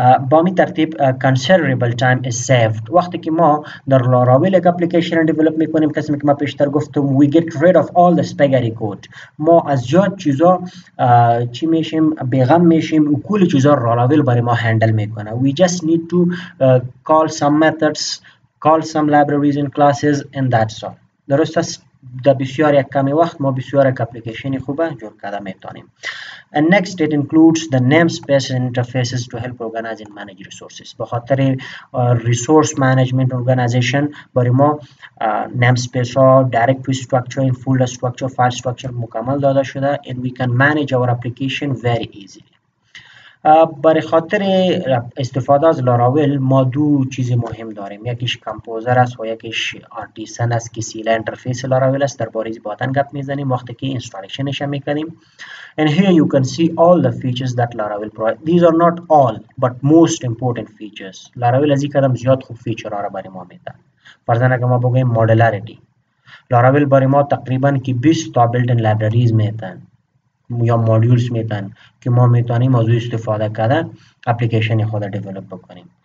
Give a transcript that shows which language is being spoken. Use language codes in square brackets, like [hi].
[fa] با می ترتیب [en] considerable time is saved. [fa] وقتی که ما در لاراویل یک اپلیکیشن دیولپ میکنیم، قسمی که ما پیشتر گفتم [en] we get rid of all the spaghetti code. [fa] ما از زیاد چیزا چی میشیم بیغم میشیم و کل چیزا لاراویل برای ما هندل میکنه. [en] We just need to call some methods, call some libraries and classes and that's all. [fa] درست است در بسیار یک کمی وقت ما بسیار یک اپلیکیشنی خوبه جور کرده میتونیم. [en] And next it includes the namespace and interfaces to help organize and manage resources. [fa] به خاطر resource management organization برای ما namespace ها, directory structure, folder structure, file structure مکمل داده شده [en] and we can manage our application very easily. [fa] برای خاطر استفاده از لاراویل ما دو چیز مهم داریم، یکیش کمپوزر است و یکیش آرتیسن است که سیلا انترفیس لاراویل است. در باره از باتن گپ میزنیم وقتی که انستالیشنش هم میکنیم. [en] And here you can see all the features that Laravel provides. These are not all, but most important features. [fa] Laravel ازی کدام زیاد خوب فیچر آره برای ما میده. فرضاً اگر ما بگویم مودلاریتی، Laravel برای ما تقریباً کی 20 تا بیلدن لایبرریز میدن یا مودولز میدن که ما میتونیم از او استفاده کرده اپلیکیشن خود را دیولپ بکنیم.